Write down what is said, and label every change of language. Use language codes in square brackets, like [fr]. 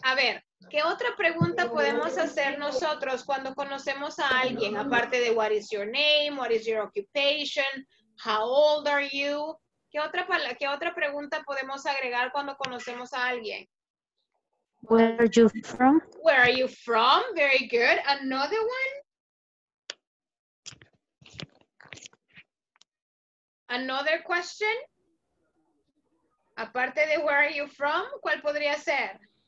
[es] A ver, ¿qué otra pregunta podemos hacer nosotros cuando conocemos a alguien? Aparte de [en] what is your name, what is your occupation, how old are you? [es] ¿Qué otra pregunta podemos agregar cuando conocemos a alguien? [en] Where are you from? Where are you from? Very good. Another one. Another question. [es] Aparte de [en] where are you from, [es] ¿cuál podría ser?